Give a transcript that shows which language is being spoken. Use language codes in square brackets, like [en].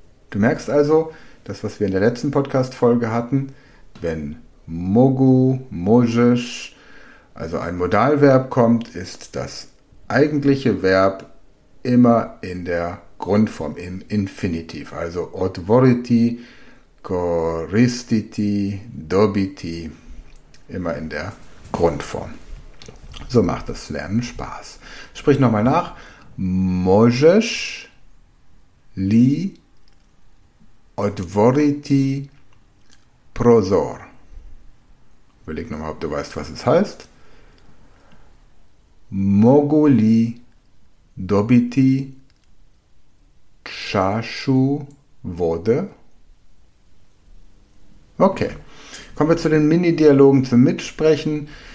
[de] Du merkst also, das, was wir in der letzten Podcast-Folge hatten, wenn [hr] mogu, možeš, [de] also ein Modalverb kommt, ist das eigentliche Verb immer in der Grundform, im Infinitiv. Also [hr] otvoriti, koristiti, dobiti, [de] immer in der Grundform. So macht das Lernen Spaß. Sprich nochmal nach. [hr] Možeš li otvoriti prozor. [de] Überleg nochmal, ob du weißt, was es heißt. [hr] Mogu li dobiti čašu vode? [de] Okay, kommen wir zu den Mini-Dialogen zum Mitsprechen.